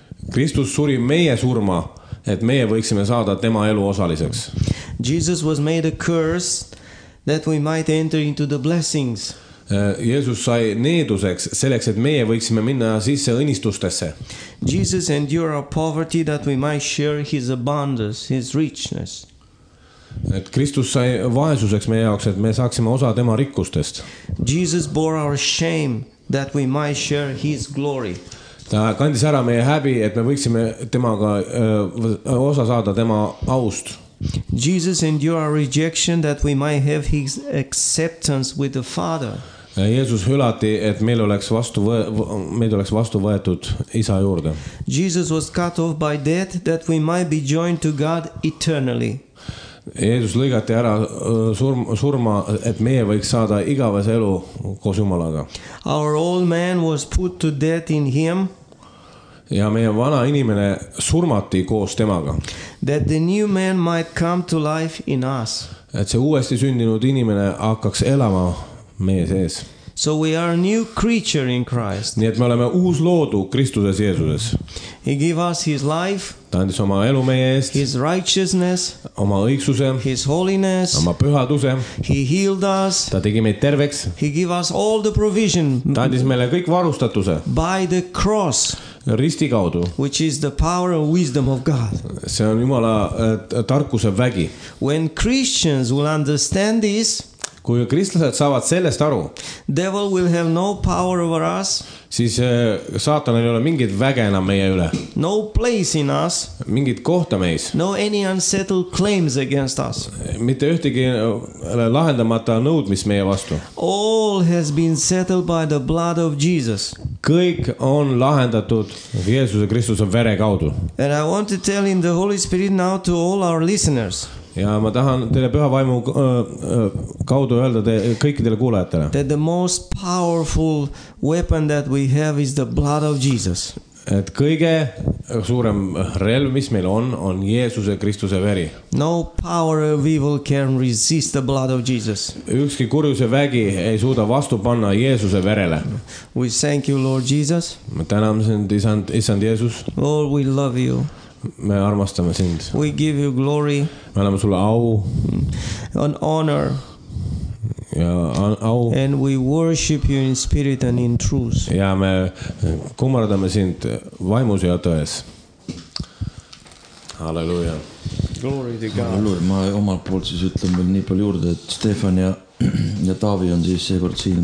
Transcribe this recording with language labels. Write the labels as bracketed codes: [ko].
[et] Kristus suri meie surma, et meie võiksime saada tema elu osaliseks. [en] Jesus was made a curse that we might enter into the blessings. [et] Jeesus sai needuseks selleks, et meie võiksime minna sisse õnnistustesse. [en] Jesus endured our poverty that we might share his abundance, his richness. [et] Et Kristus sai vaesuseks meie jaoks, et me saaksime osa tema rikkustest. [en] Jesus bore our shame that we might share his glory. [et] Ta kandis ära meie häbi, et me võiksime temaga osa saada tema aust. [en] Jesus endured our rejection that we might have his acceptance with the Father. [et] Jeesus hülati, et meil oleks vastu võetud isa juurde. [en] Jesus was cut off by death that we might be joined to God eternally. [et] Jeesus lõigati ära surma, et meie võiks saada igaves elu koos Jumalaga. [en] Our old man was put to death in him. [et] Ja meie vana inimene surmati koos temaga. [en] That the new man might come to life in us. [et] Et see uuesti sündinud inimene hakkaks elama meie sees. [en] So we are a new creature in Christ. [et] Nii et me oleme uus loodu Kristuses Jeesuses. [en] He gave us his life. [et] Ta andis oma elu meie eest. [en] His righteousness. [et] Oma õigsuse. [en] His holiness. [et] Oma pühaduse. [en] He healed us. [et] Ta tegi meid terveks. [en] He gave us all the provision. [et] Ta andis meile kõik varustatuse. [en] By the cross. [et] Risti kaudu. [en] Which is the power of wisdom of God. [et] See on Jumala tarkuse vägi. [en] When Christians will understand this, [et] kui kristlased saavad sellest aru, [en] devil will have no power over us, [et] siis saatan ei ole mingid väge enam meie üle. [en] No place in us, [et] mingid kohta meis. [en] No any unsettled claims against us. [et] Mitte ühtegi lahendamata nõudmis meie vastu. [en] All has been settled by the blood of Jesus. [et] Kõik on lahendatud Jeesuse Kristuse vere kaudu. [en] And I want to tell in the Holy Spirit now to all our listeners. [et] Ja ma tahan teile püha vaimu kaudu öelda te kõikidele kuulajatele. [en] That the most powerful weapon that we have is the blood of Jesus. [et] Et kõige suurem relv, mis meil on Jeesuse Kristuse veri. [en] No power of evil can resist the blood of Jesus. [et] Ükski kurjuse vägi ei suuda vastu panna Jeesuse verele. [en] We thank you, Lord Jesus. [et] Ma tänan sind, Isand Jeesus. [en] Lord, we love you. [et] Me armastame sind. [en] We give you glory. [et] Me anname sulle au. [en] An honor. [et] Ja au. [en] And we worship you in spirit and in truth. [et] Ja me kummardame sind vaimus ja tões. Halleluja. [en] Glory to God. Halleluja. [et] Ma omal poolt siis ütlen veel nii palju juurde, et Stefan ja Taavi on siis seekord siin.